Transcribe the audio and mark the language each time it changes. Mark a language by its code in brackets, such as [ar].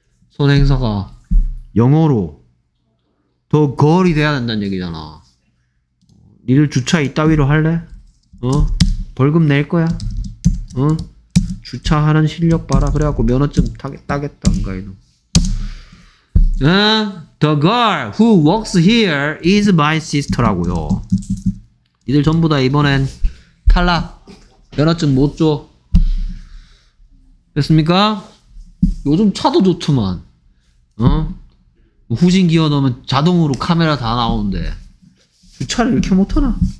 [ko] 선행사가 영어로 더 걸이 돼야 된다는 얘기잖아. 니들 주차 이따위로 할래? 어? 벌금 낼 거야? 어? 주차하는 실력 봐라. 그래갖고 면허증 따겠다. 응가 이놈. [en] The girl who works here is my sister라고요. [ko] 이들 전부 다 이번엔 탈락. 면허증 못 줘. 됐습니까? 요즘 차도 좋지만 어? 후진 기어 넣으면 자동으로 카메라 다 나오는데 주차를 이렇게 못하나?